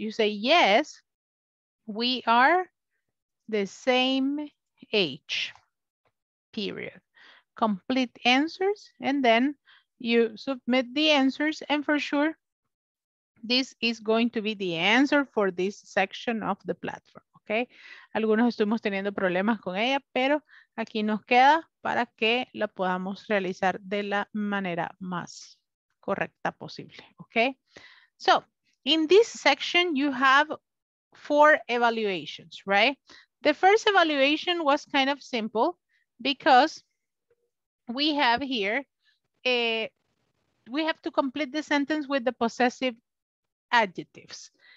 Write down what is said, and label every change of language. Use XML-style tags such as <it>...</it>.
<en>You say yes, we are the same age, period. Complete answers and then you submit the answers and for sure, this is going to be the answer for this section of the platform, okay?</en> <es>Algunos estuvimos teniendo problemas con ella, pero aquí nos queda para que la podamos realizar de la manera más correcta posible, okay?</es> <en>So, in this section, you have four evaluations, right? The first evaluation was kind of simple because we have here, we have to complete the sentence with the possessive adjectives.</en>